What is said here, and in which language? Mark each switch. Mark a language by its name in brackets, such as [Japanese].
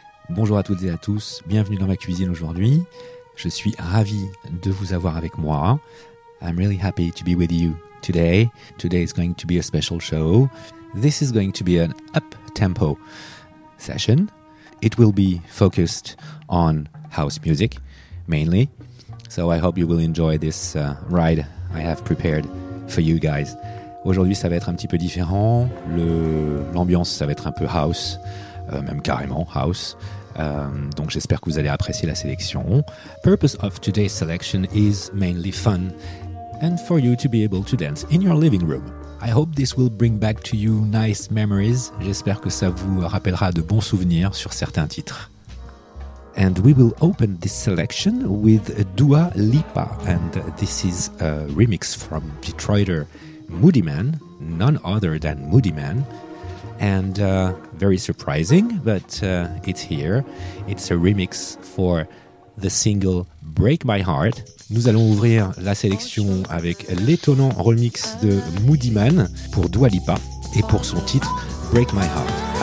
[French] Bonjour à toutes et à tous, bienvenue dans ma cuisine aujourd'hui. Je suis ravi de vous avoir avec moi. [English] I'm really happy to be with you today. Today is going to be a special show. This is going to be an up-tempo session. It will be focused on house music, mainly. So I hope you will enjoy this ride I have prepared for you guys. [French] Aujourd'hui, ça va être un petit peu différent. L'ambiance, ça va être un peu house, même carrément house. Donc j'espère que vous allez apprécier la sélection. [English] Purpose of today's selection is mainly fun and for you to be able to dance in your living room. I hope this will bring back to you nice memories. [French] J'espère que ça vous rappellera de bons souvenirs sur certains titres. [English] And we will open this selection with Dua Lipa. And this is a remix from Detroiter Moody Man, none other than Moody Man, and very surprising, but it's here. It's a remix for the single Break My Heart. [French] Nous allons ouvrir la sélection avec l'étonnant remix de Moody Man pour Dua Lipa et pour son titre Break My Heart.